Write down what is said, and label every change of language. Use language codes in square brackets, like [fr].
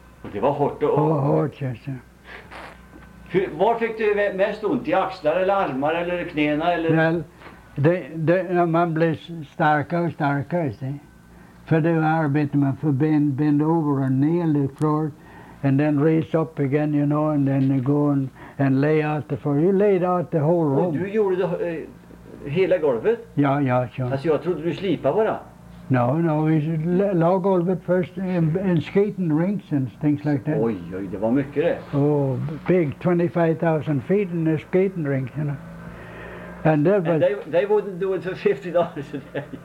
[sv] Och det var hårt att åka? Ja, hårt känns det. Var fick du mest ont? I axlar eller armar eller knäna? Eller? Väl, man blev starkare och starkare. Se. För det var arbetet man får bända över och ner i [en] floor. And then raise up again, you know, and then go and lay out the floor. You laid out the whole room. [sv] Och du gjorde det, hela golvet? Ja, ja, ja. Alltså jag trodde du slipade bara. [en] No, no, we lay [sv] golvet [en] first and skating rinks and things like that. [sv] Oj, oj, det var mycket det. [en] Oh, big 25,000 feet in a skating rink, you know. And, there, and but, they wouldn't do it for $50 a day.